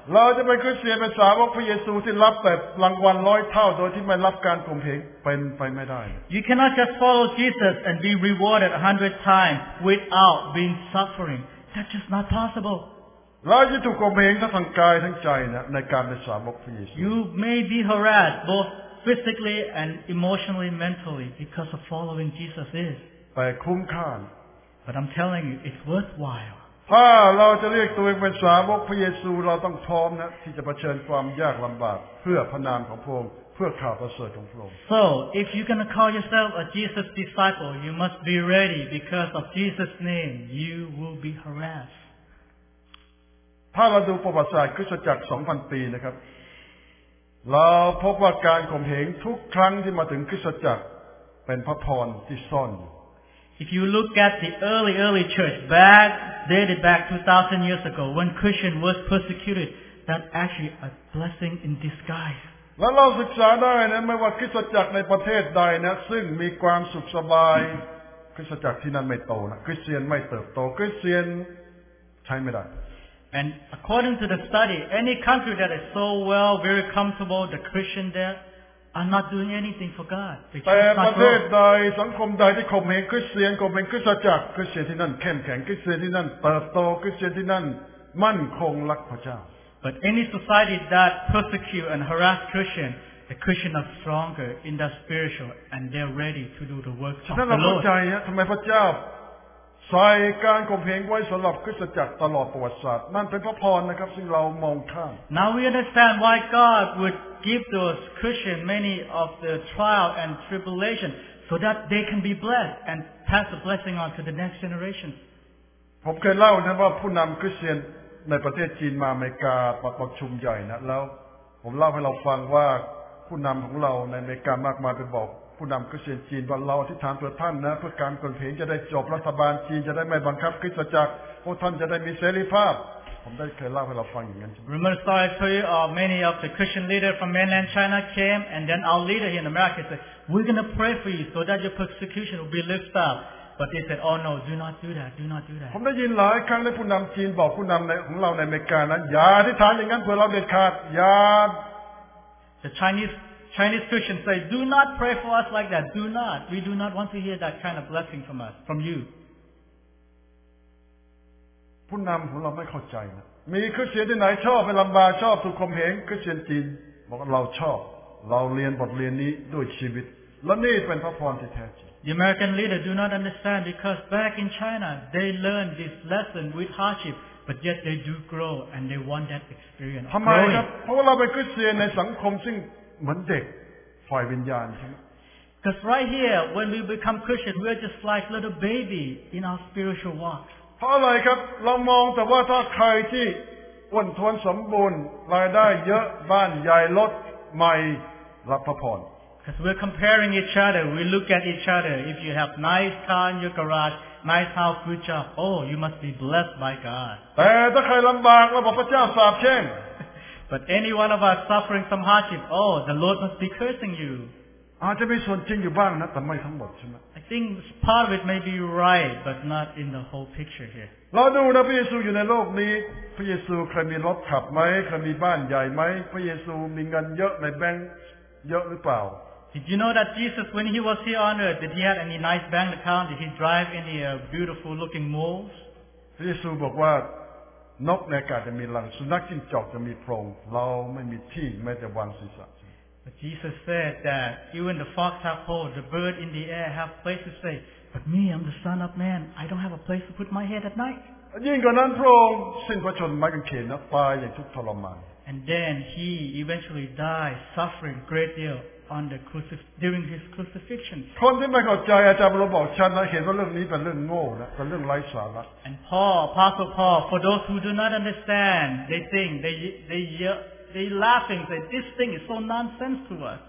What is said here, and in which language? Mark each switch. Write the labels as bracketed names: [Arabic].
[Thai] เราจะเป็นคริสเตียนเป็นสาวกพระเยซูที่รับแต่รางวัลร้อยเท่าโดยที่ไม่รับการข่มเหงเป็นไปไม่ได้ [English] You cannot just follow Jesus and be rewarded 100 times without being suffering. That's just not possible. [Thai] เราจะถูกข่มเหงทั้งกายทั้งใจนะในการเป็นสาวกพระเยซู [English] You may be harassed both physically and emotionally, mentally because of following Jesus is. [Thai] แต่คุ้มค่า [English] But I'm telling you, it's worthwhile. [Thai] ถ้าเราจะเรียกตัวเองเป็นสาวกพระเยซูเราต้องพร้อมนะที่จะเผชิญความยากลำบากเพื่อพระนามของพระองค์เพื่อข่าวประเสริฐของพระองค์ [English] So, if you're going to call yourself a Jesus disciple, you must be ready because of Jesus' name, you will be harassed. [Thai] ถ้าเราดูประวัติศาสตร์คริสตจักร 2,000 ปีนะครับเราพบว่าการข่มเหงทุกครั้งที่มาถึงคริสตจักรเป็นพระพรที่ซ่อน [English] If you look at the early church back, dated back 2,000 years ago, when Christian was persecuted, that's actually a blessing in disguise. [Thai] และเราศึกษาได้นะไม่ว่าคริสตจักรในประเทศใดนะซึ่งมีความสุขสบายคริสตจักรที่นั่นไม่โตนะคริสเตียนไม่เติบโตคริสเตียนใช้ไม่ได้ [English] And according to the study, any country that is so well, very comfortable, the Christian there,I'm not doing anything for God. [Thai] แต่ประเทศใดสังคมใดที่ข่มเหงคริสเตียนข่มเหงคริสตจักรคริสเตียนที่นั่นเข้มแข็งคริสเตียนที่นั่นเติบโตคริสเตียนที่นั่นมั่นคงรักพระเจ้า [English] But any society that persecute and harass Christian, the Christian are stronger in the spiritual and they're ready to do the work of the Lord. [Thai] ฉะนั้นเราต้องใจทำไมพระเจ้าใส่การข่มเหงไว้สำหรับคริสตจักรตลอดประวัติศาสตร์นั่นเป็นพระพรนะครับซึ่งเรามองข้าม [English] Now we understand why God would give those Christians many of the trial and tribulation so that they can be blessed and pass the blessing on to the next generation. [Thai] ผมเคยเล่านะว่าผู้นำคริสเตียนในประเทศจีนมาอเมริกาประชุมใหญ่นะแล้วผมเล่าให้เราฟังว่าผู้นำของเราในอเมริกามากมายไปบอกผู้นำคริสเตียนจีนว่าเราอธิษฐานเพื่อท่านนะเพื่อการกลเพงจะได้จบรัฐบาลจีนจะได้ไม่บังคับคริสตจักรพวกท่านจะได้มีเสรีภาพผมได้เคยเล่าให้เราฟังอย่างนั้น [English] Remember the story I told you of many of the Christian leaders from mainland China came and then our leader here in America said we're going to pray for you so that your persecution will be lifted up but they said oh no do not do that [Thai] ผมได้ยินหลายครั้งในผู้นำจีนบอกผู้นำของเราในอเมริกานั้นอย่าอธิษฐานอย่างนั้นเพื่อเราเด็ดขาดอย่า [English] The Chinese Christians say, do not pray for us like that. Do not. We do not want to hear that kind of blessing from us, from you. [Thai] ผู้นำของเราไม่เข้าใจนะมีคริสเตียนที่ไหนชอบไปลำบากชอบถูกข่มเหงคริสเตียนจีนบอกว่าเราชอบเราเรียนบทเรียนนี้ด้วยชีวิตและนี่เป็นพระพรที่แท้จริง [English] The American leader do not understand because back in China, they learned this lesson with hardship. But yet they do grow and they want that experience. [Thai] ทำไมครับเพราะว่าเราเป็นคริสเตียนในสังคมซึ่งเหมือนเด็กฝ่ายวิญญาณใช่ไหม [English] Because right here when we become Christian we are just like little baby in our spiritual walk. [Thai] เพราะอะไรครับเรามองแต่ว่าถ้าใครที่อ้วนท้วนสมบูรณ์รายได้เยอะบ้านใหญ่รถใหม่รับพระพร [English] Because we're comparing each other we look at each other if you have nice car in your garageNice house, good job. Oh, you must be blessed by God. [Thai] แต่ถ้าใครลำบากเราบอกพระเจ้าสาปแช่ง [English] But any one of us suffering some hardship, oh, the Lord must be cursing you. [Thai] อาจจะมีส่วนจริงอยู่บ้างนะแต่ไม่ทั้งหมดใช่ไหม [English] I think part of it may be right, but not in the whole picture here. [Thai] เราดูนะพระเยซูอยู่ในโลกนี้พระเยซูเคยมีรถขับไหมเคยมีบ้านใหญ่ไหมพระเยซูมีเงินเยอะในแบงค์เยอะหรือเปล่า [English] Did you know that Jesus, when he was here on earth, did he have any nice bank account? Did he drive any beautiful looking malls? [Thai] Jesus บอกว่านกในอากาศจะมีรังสุนัขจิ้งจอกจะมีโพรงเราไม่มีที่แม้แต่วางศีรษะ [English] But Jesus said that even the fox have holes, the bird in the air have place to stay. But me, I'm the son of man. I don't have a place to put my head at night. [Thai] ยิ่งกว่านั้นโพรงสิ้นพระชนม์ไม่กางเขนนะตายอย่างทุกข์ทรมาน [English] And then he eventually died, suffering a great deal. on the during his crucifixion. [Thai] คนที่ไม่เข้าใจอาจารย์เราบอกฉันนะเห็นว่าเรื่องนี้เป็นเรื่องโง่ละเป็นเรื่องไร้สาระ [English] And Paul, Apostle Paul, for those who do not understand, they think they laughing say this thing is so nonsense to us.